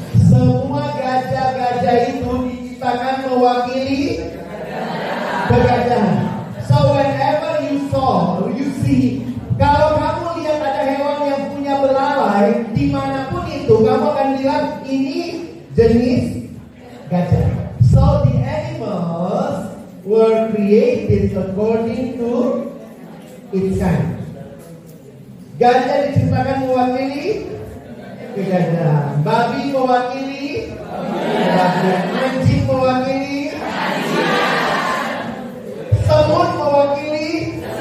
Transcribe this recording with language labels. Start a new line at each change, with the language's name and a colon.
Indonesian: Semua gajah-gajah itu diciptakan mewakili kegajahan.
English: So whenever you saw, you see,
Indonesian: kalau kamu lihat ada hewan yang punya belalai, dimanapun itu, kamu akan bilang ini jenis gajah.
English: So the animals were created according to its kind.
Indonesian: Gajah diciptakan mewakili kegajahan. Babi mewakili kegajahan. Anjing mewakili. Semut mewakili.